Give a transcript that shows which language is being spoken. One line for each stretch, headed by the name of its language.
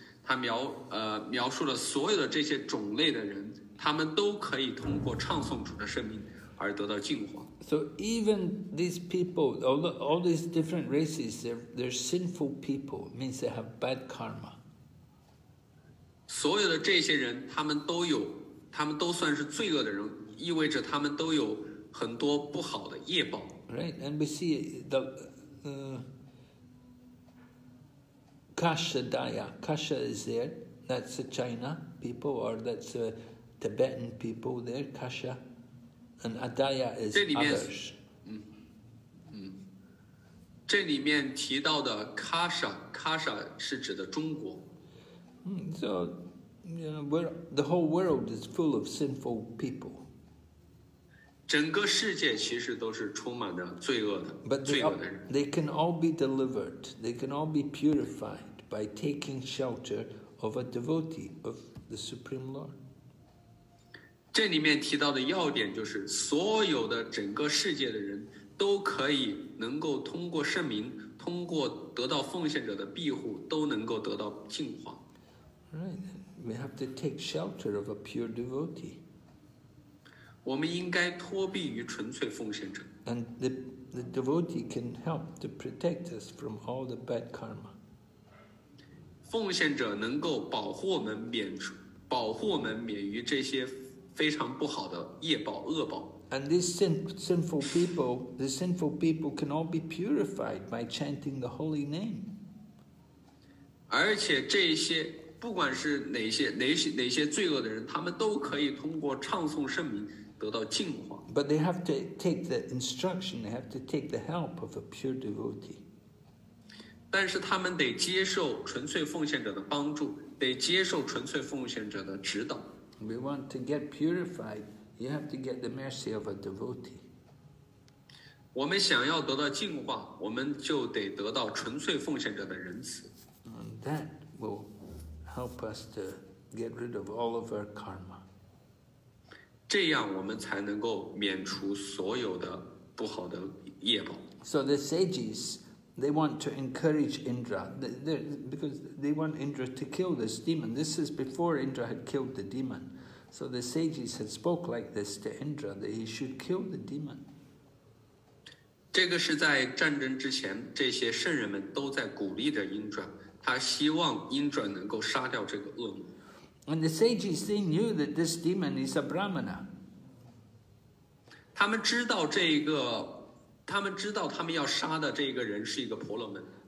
Chinese: 他描述了所有的这些种类的人，他们都可以通过唱诵主的圣名而得到净化。
English: So even these people, all these different races, they're sinful people, means they have bad karma.
Chinese: 所有的这些人，他们都算是罪恶的人，意味着他们都有很多不好的业报。
English: Right, and we see the, Kashadaya. Kasha is there. That's the China people, or that's the Tibetan people there. Kasha, and Adaya is others.
Chinese: 这里面提到的 Kasha 是指的中国。
English: So. You know, we're, the whole world is full of sinful people.
Chinese: 整个世界其实都是充满着罪恶的。
English: But they can all be delivered. They can all be purified by taking shelter of a devotee of the Supreme Lord.
Chinese: 这里面提到的要点就是，所有的整个世界的人都可以能够通过圣名，通过得到奉献者的庇护，都能够得到净化。
English: Right. We have to take shelter of a pure devotee.
Chinese: 我们应该托庇于纯粹奉献者。
English: And the devotee can help to protect us from all the bad karma.
Chinese: 奉献者能够保护我们免于这些非常不好的业报、恶报。
English: And these sinful people, the sinful people can all be purified by chanting the holy name.
Chinese: 而且这些不管是哪些罪恶的人，他们都可以通过唱诵圣名得到净化。
English: But they have to take the instruction. They have to take the help of a pure devotee.
Chinese: 但是他们得接受纯粹奉献者的帮助，得接受纯粹奉献者的指导。
English: We want to get purified. You have to get the mercy of a devotee.
Chinese: 我们想要得到净化，我们就得得到纯粹奉献者的仁慈。
English: And that will. Help us to get rid of all of our karma.
Chinese: 这样我们才能够免除所有的不好的业报。
English: So the sages, they want to encourage Indra, because they want Indra to kill this demon. This is before Indra had killed the demon. So the sages had spoke like this to Indra that he should kill the demon.
Chinese: 这个是在战争之前，这些圣人们都在鼓励着 Indra。他希望英准能够杀掉这个恶魔。
English: And the sages, they knew that this demon is a brahmana.
Chinese: 他们知道他们要杀的这个人是一个婆罗门。